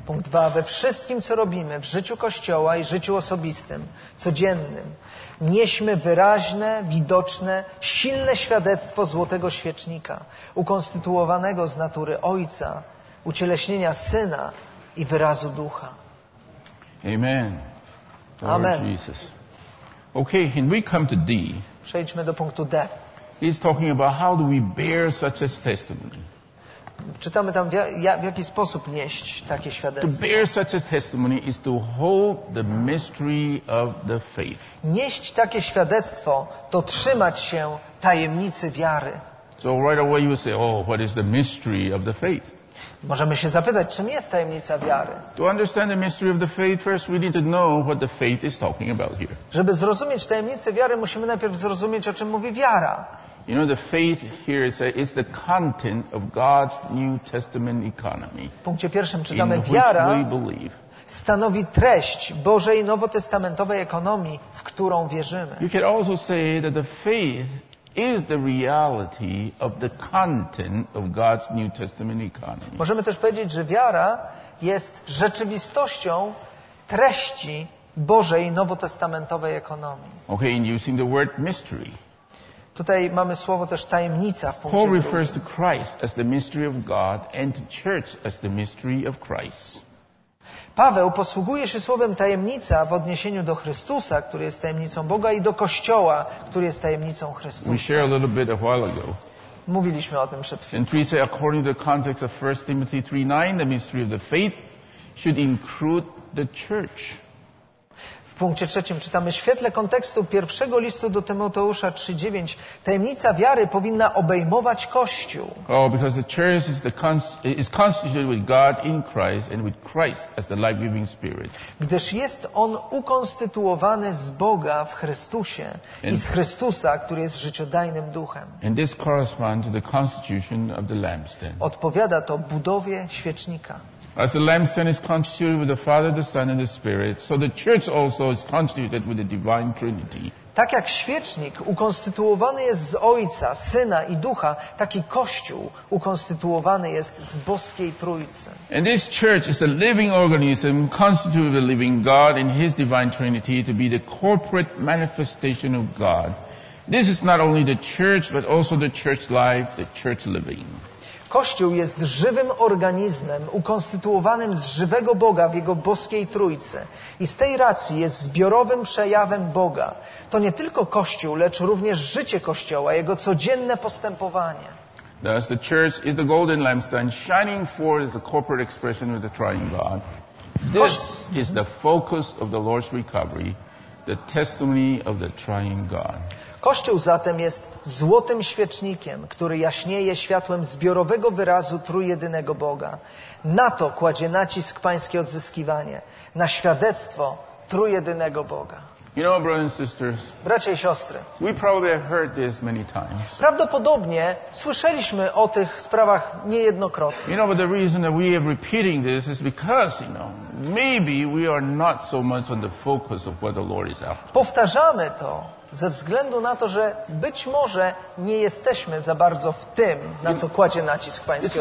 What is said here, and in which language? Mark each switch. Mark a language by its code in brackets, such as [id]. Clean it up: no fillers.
[pl] Punkt dwa. We wszystkim, co robimy, w życiu Kościoła i życiu osobistym, codziennym, nieśmy wyraźne, widoczne, silne świadectwo złotego świecznika, ukonstytuowanego z natury Ojca, ucieleśnienia Syna i wyrazu Ducha. Amen. [en] Lord Amen. Jesus. Okay, and we come to D. [pl] Przejdźmy do punktu D. [en] He's talking about how do we bear such a testimony. [pl] Czytamy tam w jaki sposób nieść takie świadectwo. [en] To bear such a testimony is to hold the mystery of the faith. [pl] Nieść takie świadectwo to trzymać się tajemnicy wiary. [en] So right away you say, oh, what is the mystery of the faith? [pl] Możemy się zapytać, czym jest tajemnica wiary. [en] To understand the mystery of the faith, first we need to know what the faith is talking about here. [pl] Żeby zrozumieć tajemnicę wiary, musimy najpierw zrozumieć, o czym mówi wiara. [en] You know, the faith here is the content of God's New Testament economy. [pl] W punkcie pierwszym czytamy, wiara stanowi treść Bożej nowotestamentowej ekonomii, w którą wierzymy. [en] You can also say that the faith is the reality of the content of God's New Testament economy. [pl] Możemy też powiedzieć, że wiara jest rzeczywistością treści Bożej nowotestamentowej ekonomii. [en] Okay, in using the word mystery. [pl] Tutaj mamy słowo też tajemnica w punkcie [en] Paul refers to Christ as the mystery of God and to church as the mystery of Christ. [pl] Paweł posługuje się słowem tajemnica w odniesieniu do Chrystusa, który jest tajemnicą Boga, i do Kościoła, który jest tajemnicą Chrystusa. [en] We shared a little bit a while ago. [pl] Mówiliśmy o tym przed chwilą. [en] And three say, according to the context of 1 Timothy 3:9, the mystery of the faith should include the church. [pl] W punkcie trzecim czytamy, w świetle kontekstu pierwszego listu do Tymoteusza 3:9, tajemnica wiary powinna obejmować Kościół. [en] Oh, because the church is constituted with God in Christ and with Christ as the life-giving spirit. [pl] Gdyż jest on ukonstytuowany z Boga w Chrystusie i z Chrystusa, który jest życiodajnym duchem. [en] And this corresponds to the constitution of the lampstand. [pl] Odpowiada to budowie świecznika. [en] As the lampstand is constituted with the Father, the Son, and the Spirit, so the church also is constituted with the divine Trinity. [pl] Tak jak świecznik ukonstytuowany jest z Ojca, Syna i Ducha, tak i Kościół ukonstytuowany jest z Boskiej Trójcy. [en] And this church is a living organism constituted with the living God in His divine Trinity to be the corporate manifestation of God. This is not only the church, but also the church life, the church living. [pl] Kościół jest żywym organizmem ukonstytuowanym z żywego Boga w Jego boskiej Trójcy i z tej racji jest zbiorowym przejawem Boga. To nie tylko Kościół, lecz również życie Kościoła, Jego codzienne postępowanie. [en] Thus the church is the golden lampstand shining forth as a corporate expression of the triune God. This is the focus of the Lord's recovery. the testimony of the triune God. [pl] Kościół zatem jest złotym świecznikiem, który jaśnieje światłem zbiorowego wyrazu trójjedynego Boga. Na to kładzie nacisk pańskie odzyskiwanie, na świadectwo trójjedynego Boga. [en] You know, brothers and sisters, [pl] bracia i siostry, [en] we probably have heard this many times. [pl] Prawdopodobnie słyszeliśmy o tych sprawach niejednokrotnie. [en] You know, but the reason that we are repeating this is because, you know, maybe we are not so much on the focus of what the Lord is after. [pl] Powtarzamy to ze względu na to, że być może nie jesteśmy za bardzo w tym, na co kładzie nacisk pański